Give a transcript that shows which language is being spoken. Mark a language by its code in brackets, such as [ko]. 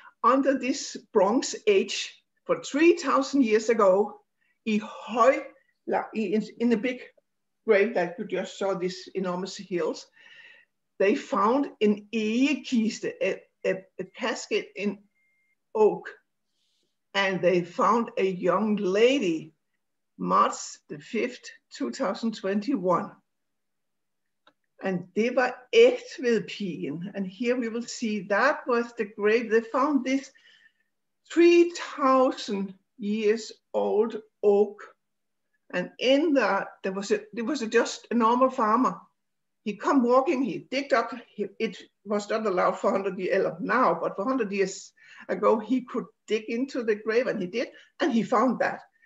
[en] Under this Bronze Age, for 3,000 years ago, in the big grave that you just saw, these enormous hills, they found an egekiste, a casket in oak, and they found a young lady, March the 5th, 2021. [da] And det var ægte ved pigen. [en] And here we will see that was the grave. They found this 3,000 years old oak. And in that, there was just a normal farmer. He come walking, he digged up. It was not allowed for 100 years now, but for 100 years ago, he could dig into the grave and he did. And he found that.